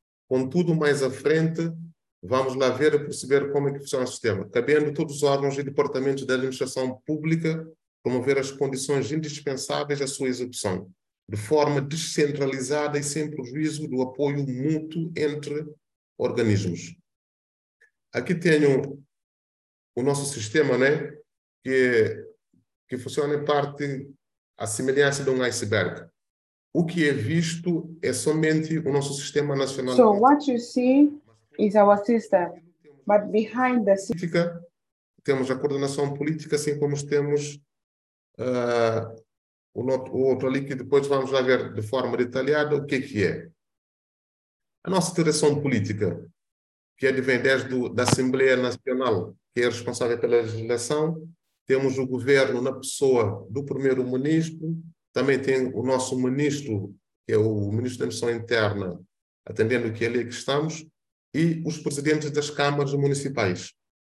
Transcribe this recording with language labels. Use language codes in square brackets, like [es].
[pt] Contudo, mais à frente, vamos lá ver e perceber como é que funciona o sistema, cabendo todos os órgãos e departamentos da administração pública promover as condições indispensáveis à sua execução, de forma descentralizada e sem prejuízo do apoio mútuo entre organismos. Aqui tenho o nosso sistema, né? Que funciona em parte a semelhança de um iceberg. O que é visto é somente o nosso sistema nacional. [en] So what you see is our system, but behind the system. [pt] Temos a coordenação política, assim como temos o outro ali, que depois vamos lá ver de forma detalhada o que é. A nossa direção política, que advém desde da Assembleia Nacional, que é responsável pela legislação, temos o governo na pessoa do primeiro-ministro, também tem o nosso ministro, que é o ministro da Missão Interna, atendendo que é ali que estamos, e os presidentes das câmaras municipais.